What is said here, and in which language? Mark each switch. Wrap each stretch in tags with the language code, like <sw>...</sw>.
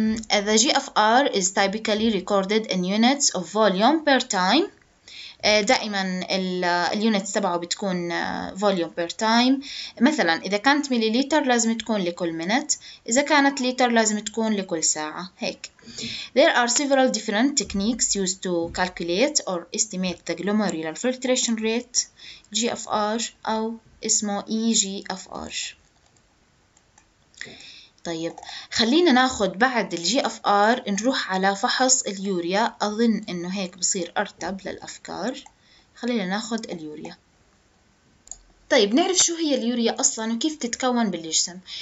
<en>The G F R is typically recorded in units of volume per time.</en> <ar>دائما اليونت تبعه بتكون</ar> <en>volume per time.</en> <ar>مثلا اذا كانت مليليتر لازم تكون لكل منت، اذا كانت لتر لازم تكون لكل ساعة هيك.</ar> <en>There are several different techniques used to calculate or estimate the glomerular filtration rate GFR</en> <ar>او اسمه</ar> <en>EGFR.</en> <ar>طيب خلينا ناخد بعد الجي اف ار نروح على فحص اليوريا، اظن انه هيك بصير ارتب للافكار. خلينا ناخد اليوريا. طيب نعرف شو هي اليوريا اصلا وكيف تتكون بالجسم.</ar>